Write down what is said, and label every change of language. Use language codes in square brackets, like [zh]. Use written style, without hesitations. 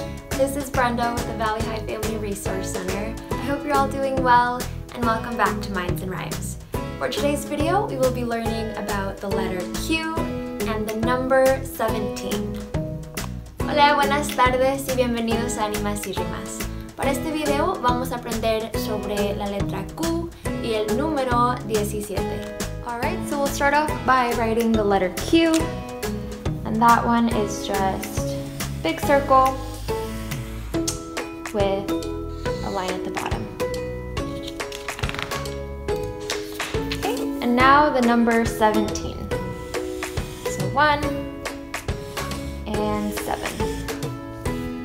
[en] This is Brenda with the Valley High Family Resource Center. I hope you're all doing well, and welcome back to Minds and Rhymes. For today's video, we will be learning about the letter Q and the number 17. [es] Hola, buenas tardes y bienvenidos a Animas y Rimas. Para este video, vamos a aprender sobre la letra Q y el número 17. [en] Alright, so we'll start off by writing the letter Q, and that one is just a big circle with a line at the bottom. Okay, and now the number 17. So 1 and 7.